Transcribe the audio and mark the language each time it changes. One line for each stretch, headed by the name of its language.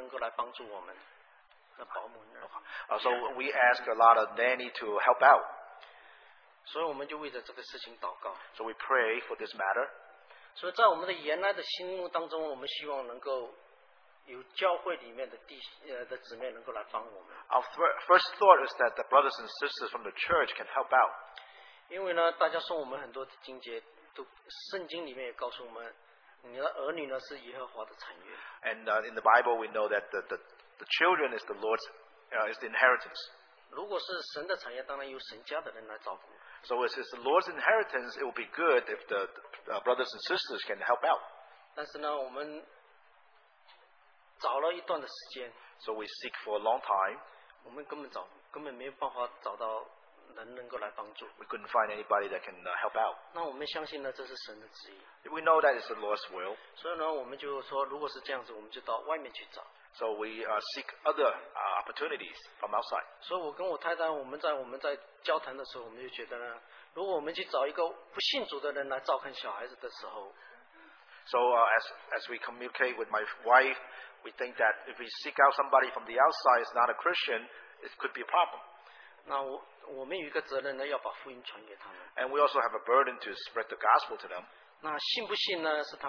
Chinese: 所以呢，我们就为着这个事情呢，在我们就想要请一些阿姨能够来帮助我们和保姆。
English: So we ask a lot of nanny to help out.
Chinese: 所以我们就为着这个事情祷告。
English: So we pray for this matter.
Chinese: 所以在我们的原来的心目当中，我们希望能够有教会里面的姊妹能够来帮我们。
English: Our first thought is that the brothers and sisters from the church can help out.
Chinese: 因为呢，大家送我们很多的经节，都圣经里面也告诉我们，你的儿女呢是耶和华的产业。
English: And in the Bible, we know that the children is the Lord's, is the inheritance.
Chinese: 如果是神的产业，当然由神家的人来照顾。
English: So if it's the Lord's inheritance, it would be good if the brothers and sisters can help out.
Chinese: 但是呢，我们找了一段的时间,
English: so we seek for a long time.
Chinese: 我们根本没有办法找到
English: We couldn't find anybody that can help out.
Chinese: 那我们相信呢,
English: we know that it's the Lord's will.
Chinese: 所以呢,我们就说,
English: so we seek other opportunities from outside.
Chinese: 所以我跟我太太,我们在交谈的时候,我们就觉得呢,如果我们去找一个不信主的人来照看小孩子的时候,
English: so as we communicate with my wife, we think that if we seek out somebody from the outside who's not a Christian, it could be a problem.
Chinese: 那我们有一个责任呢,
English: and we also have a burden to spread the gospel to them.
Chinese: 那信不信呢,